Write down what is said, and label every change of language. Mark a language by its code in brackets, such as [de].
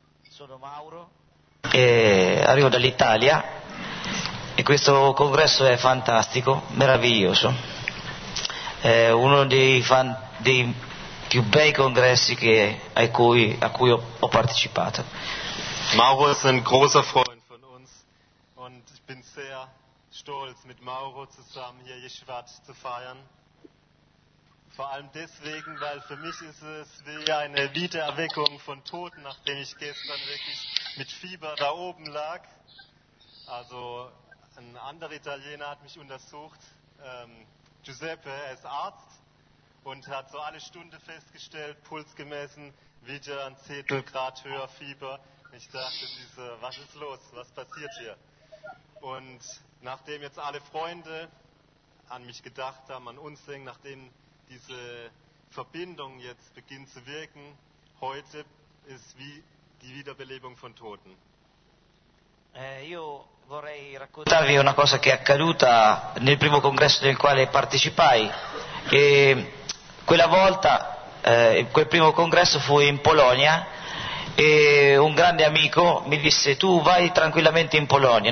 [it] Sono Mauro, arrivo dall'Italia e questo congresso è fantastico, meraviglioso, è uno dei più bei congressi a cui ho partecipato. [de] Mauro [it] è un grosso [de] Freund von uns und ich bin sehr stolz mit Mauro zusammen hier Yeshivat zu feiern. Vor allem deswegen, weil für mich ist es wie eine Wiedererweckung von Toten, nachdem ich gestern wirklich mit Fieber da oben lag. Also ein anderer Italiener hat mich untersucht, Giuseppe, er ist Arzt und hat so alle Stunde festgestellt, Puls gemessen, wieder ein Zehntel Grad höher Fieber. Ich dachte, was ist los, was passiert hier? Und nachdem jetzt alle Freunde an mich gedacht haben, an uns denken, nachdem diese Verbindung jetzt beginnt zu wirken, heute ist wie die Wiederbelebung von Toten. [it] Io vorrei raccontarvi una cosa che è accaduta nel primo congresso nel quale partecipai. E quella volta, quel primo congresso fu in Polonia. E un grande amico mi disse: tu vai tranquillamente in Polonia.